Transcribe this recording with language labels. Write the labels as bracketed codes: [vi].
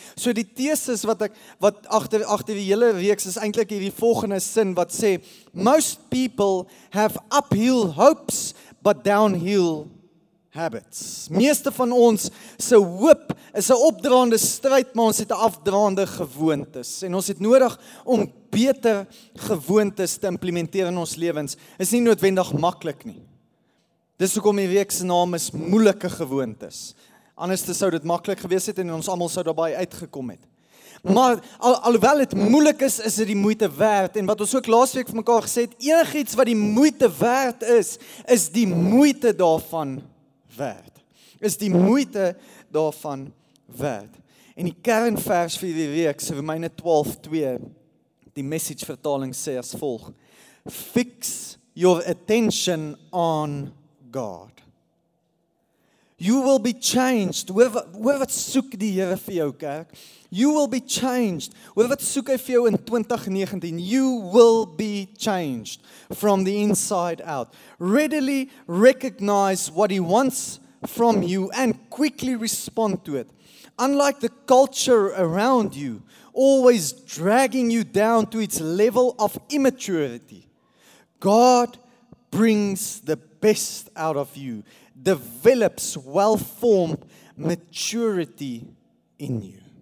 [af] So die thesis wat agter die hele reeks is eintlik hierdie volgende sin wat sê: [en] Most people have uphill hopes but downhill habits. [af] Meeste van ons se hoop is 'n opdraande stryd, maar ons het 'n afdraande gewoontes. En ons het nodig om beter gewoontes te implementeer in ons lewens. Is nie noodwendig maklik nie. Dis hoekom die reeks se naam is moeilike gewoontes. Anders sou dit maklik gewees het en ons almal sou daarby uitgekom het. Maar alhoewel dit moeilik is, is dit die moeite werd. En wat ons ook laas week vir mekaar gesê het, enigiets wat die moeite werd is, is die moeite daarvan werd. Is die moeite daarvan werd. En die kernvers vir die week, Romeine 12:2, die message vertaling sê as volg: [en] Fix your attention on God. You will be changed. [af] Hoor wat soek die Here vir jou, kerk? [en] You will be changed. [af] Hoor wat soek hy vir jou in 2019? [en] You will be changed from the inside out. Readily recognize what he wants from you and quickly respond to it. Unlike the culture around you, always dragging you down to its level of immaturity, God brings the best out of you, develops well-formed maturity in you.